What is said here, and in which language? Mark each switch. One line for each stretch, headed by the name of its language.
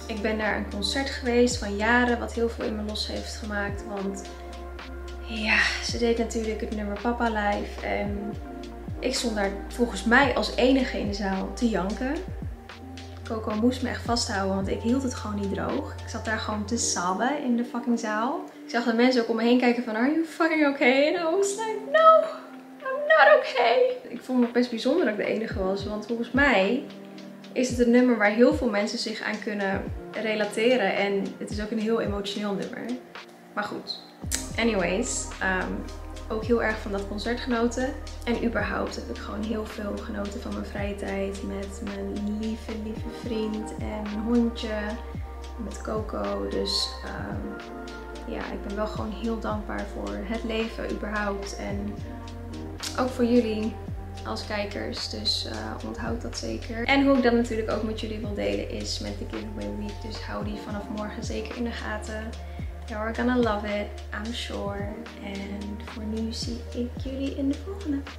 Dutch: Ik ben naar een concert geweest van Jaren, wat heel veel in me los heeft gemaakt, want ja, ze deed natuurlijk het nummer Papa Live en ik stond daar volgens mij als enige in de zaal te janken. Coco moest me echt vasthouden, want ik hield het gewoon niet droog. Ik zat daar gewoon te sabben in de fucking zaal. Ik zag de mensen ook om me heen kijken van,
English: are you fucking okay?
Dutch: En
English: I was like, no, I'm not okay.
Dutch: Ik vond het best bijzonder dat ik de enige was, want volgens mij is het een nummer waar heel veel mensen zich aan kunnen relateren. En het is ook een heel emotioneel nummer. Maar goed. Anyways, ook heel erg van dat concert genoten. En überhaupt heb ik gewoon heel veel genoten van mijn vrije tijd. Met mijn lieve, lieve vriend en mijn hondje. Met Coco. Dus ja, ik ben wel gewoon heel dankbaar voor het leven überhaupt. En ook voor jullie als kijkers. Dus onthoud dat zeker. En hoe ik dat natuurlijk ook met jullie wil delen is met de Giveaway Week. Dus hou die vanaf morgen zeker in de gaten.
English: You are gonna love it, I'm sure. And for
Dutch: nu zie ik jullie in de volgende.